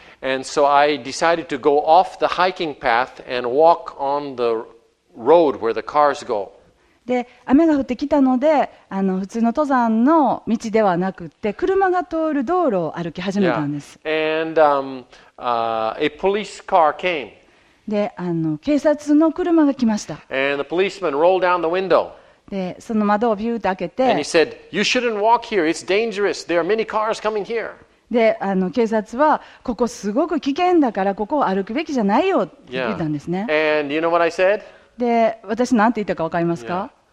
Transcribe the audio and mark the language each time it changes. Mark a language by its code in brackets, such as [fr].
[en] And so I decided to go off the hiking path and walk on the road where the cars go. [ja] で雨が降ってきたので普通の登山の道ではなくて車が通る道路を歩き始めたんです。 [en] Yeah. And, a police car came. [ja] で警察の車が来ました。 [en] And the policeman rolled down the window. [ja] でその窓をビューと開けて [en] And he said, you shouldn't walk here, it's dangerous, there are many cars coming here. [ja] で警察はここすごく危険だからここを歩くべきじゃないよって言ったんですね。 [en] Yeah. And you know what I said? [ja] で私なんて言ったかわかりますか？